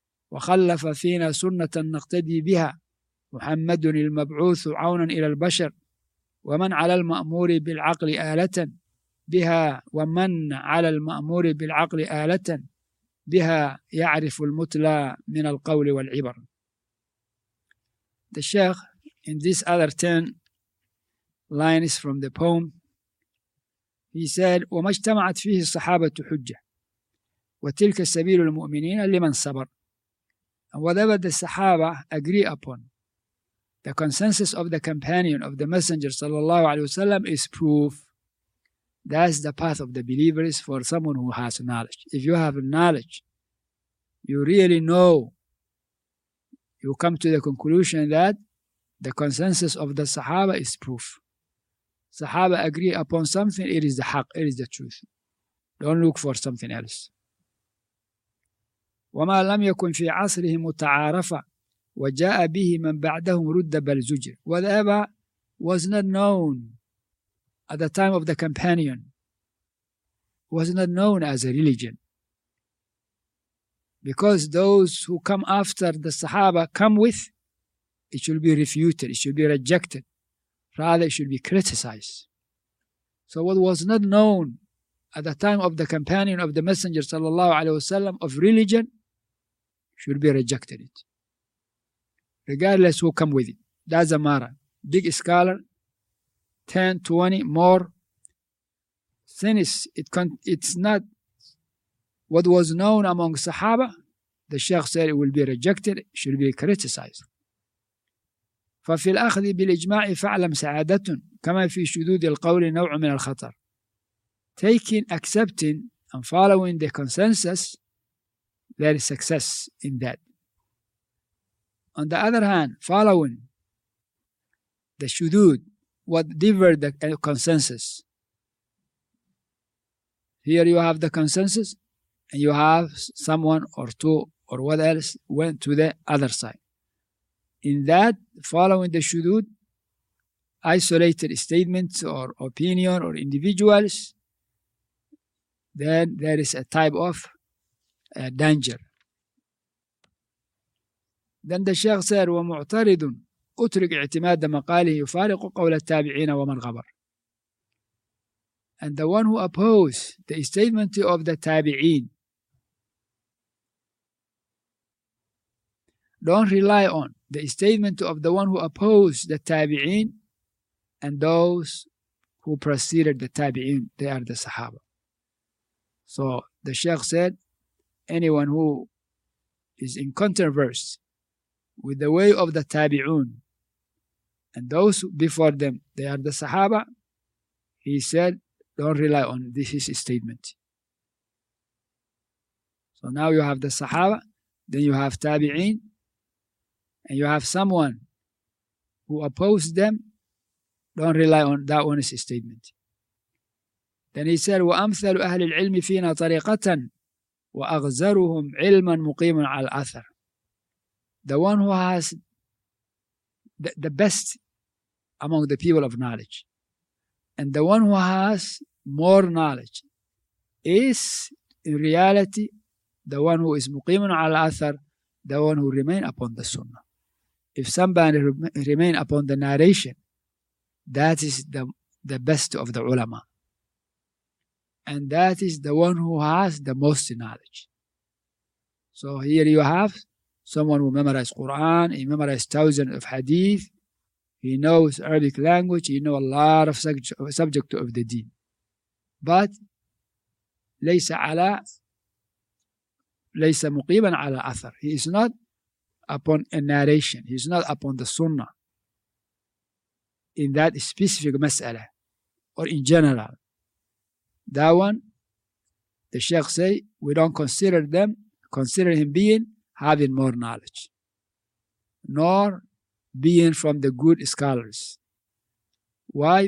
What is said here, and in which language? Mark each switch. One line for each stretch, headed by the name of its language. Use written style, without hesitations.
Arabic: وخلف فينا سنة نقتدي بها محمد المبعوث عونا إلى البشر ومن على المأمور بالعقل آلة بها ومن على المأمور بالعقل آلة بها يعرف المتلى من القول والعبر.
English: The Shaykh in this other 10 lines from the poem, he said,
Arabic: وَمَا اجْتَمَعَتْ فِيهِ الصَّحَابَةُ حُجَّةٌ وَتِلْكَ السَّبِيلُ الْمُؤْمِنِينَ لِمَنْ صَبَرٌ.
English: And whatever the Sahaba agree upon, the consensus of the companion of the Messenger
Arabic: صلى الله عليه وسلم
English: is proof. That's the path of the believers for someone who has knowledge. If you have knowledge, you really know, you come to the conclusion that the consensus of the Sahaba is proof. Sahaba agree upon something, it is the haq, it is the truth. Don't look for something else.
Arabic: وما لم يكن في عصره متعارفة وجاء به من بعدهم رد بل زجر.
English: وذهب was not known at the time of the companion, was not known as a religion, because those who come after the Sahaba come with, it should be refuted, it should be rejected, rather it should be criticized. So what was not known at the time of the companion of the Messenger
Arabic: sallallahu alaihi wasallam
English: of religion should be rejected, it regardless who come with it. Doesn't matter, big scholar, 10, 20, more. Since it's not what was known among Sahaba, the Sheikh said it will be rejected, should be criticized.
Arabic: ففي الأخذ بالإجماع فعلم سعادة كما في شذوذ القول نوع من الخطر.
English: Taking, accepting and following the consensus, there is success in that. On the other hand, following the shudud, what differed the consensus. Here you have the consensus and you have someone or two or what else went to the other side. In that, following the shudud, isolated statements or opinion or individuals, then there is a type of danger. Then the Sheikh said,
Arabic: وَمُعْتَرِدٌ أُتْرِقْ اِعْتِمَادَ مَقَالِهِ يُفَارِقُ قَوْلَ التَّابِعِينَ وَمَنْ غَبَرَ.
English: And the one who opposed the statement of the tabi'een, don't rely on the statement of the one who opposed the tabi'een and those who preceded the tabi'een, they are the sahaba. So the Sheikh said, anyone who is in controversy with the way of the tabi'un and those before them, they are the sahaba, he said, don't rely on this statement. So now you have the sahaba, then you have tabi'in, and you have someone who opposed them, don't rely on that one's statement. Then he said,
Arabic: وَأَمْثَلُ أَهْلِ الْعِلْمِ فِينَا طَرِيقَةً وَأَغْزَرُهُمْ عِلْمًا مُقِيمًا عَلَى الْأَثَرِ.
English: The one who has the best among the people of knowledge and the one who has more knowledge is in reality the one who is
Arabic: muqimun ala athar,
English: the one who remain upon the sunnah. If somebody remain upon the narration, that is the best of the ulama, and that is the one who has the most knowledge. So here you have someone who memorized Quran, he memorized thousands of hadith, he knows Arabic language, he knows a lot of subject of the deen. But
Arabic: ليس مقيما على أثر.
English: He is not upon a narration, he is not upon the sunnah in that specific mas'ala or in general. That one, the Sheikh say, we don't consider him being having more knowledge, nor being from the good scholars. Why?